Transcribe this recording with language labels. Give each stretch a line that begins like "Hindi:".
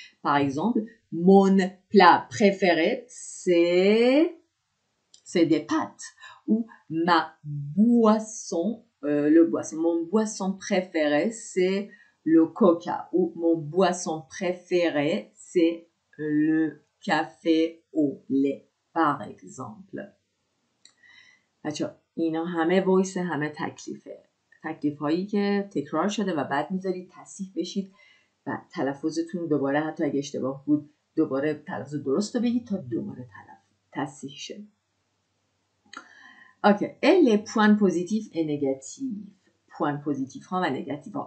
French: Par exemple, mon plat préféré, c'est des pâtes. Ou ma boisson, mon boisson préféré, c'est le coca. Ou mon boisson préféré, c'est le café au lait, par exemple.
Persian: بچه اینا همه ویسه، همه تکلیف هایی که تکرار شده و بعد میذارید تصحیح بشید و تلفظتون دوباره، حتی اگه اشتباه بود دوباره تلفظ درست رو بگید تا دوباره تصحیح شه.
French: OK, et les points positifs et négatifs. Points positifs et négatifs.